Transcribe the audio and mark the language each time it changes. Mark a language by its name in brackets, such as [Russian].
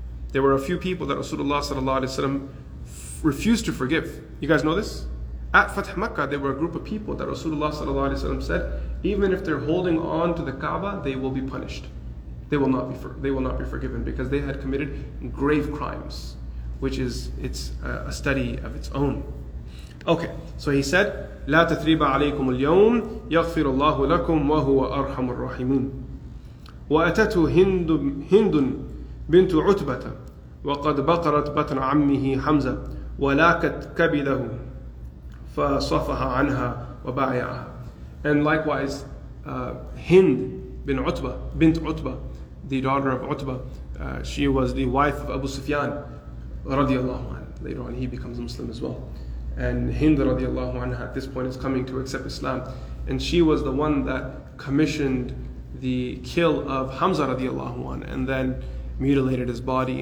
[English] There were a few people that Rasulullah sallallahu alayhi wa sallam refused to forgive. You guys know this? At Fath Mecca, there were a group of people that Rasulullah sallallahu alayhi wa sallam said, even if they're holding on to the Kaaba, they will be punished. They will not be forgiven because they had committed grave crimes, which is it's a study of its own. Okay, so he said, [Arabic] لا تثريب عليكم اليوم يغفر الله لكم وهو أرحم الراحمين وأتته هند بنت عتبة وقد بقرت بطن عمه حمزة ولاكت كبده فصفها عنها وبايعها. [English] And likewise, Hind bin Utba, bint Utba, the daughter of Utba, she was the wife of Abu Sufyan رضي الله عنه. Later on he becomes Muslim as well. And Hind radiallahu anha at this point is coming to accept Islam. And she was the one that commissioned the kill of Hamza radiallahu anha and then mutilated his body.